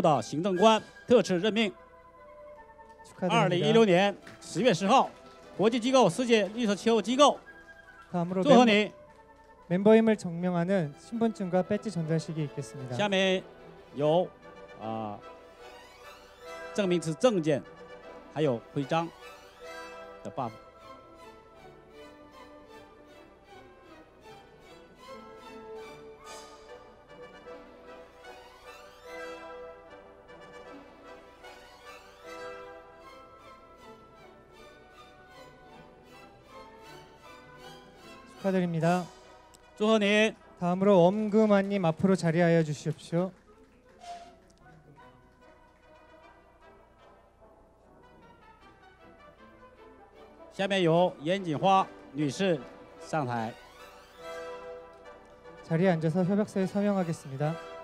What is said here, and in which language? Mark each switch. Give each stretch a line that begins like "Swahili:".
Chinese: 任命为苏杰西作为东北亚环球本部的行政官特此任命。
Korean: 축하드립니다. 2016년 10월 10일 국제기구 세계 녹색 기후기구. 다음으로
Chinese: 祝贺你.
Korean: 멤버임을 증명하는 신분증과 배지 전달식이 있겠습니다.
Chinese: 下面有 证明是证件，还有徽章的 buff。
Korean: 축하드립니다. 조헌님. 다음으로 엄금아님 앞으로 자리하여 주시옵시오.
Chinese: 下面由严锦花女士上台。
Korean: 자리에 앉아서 협약서에 서명하겠습니다.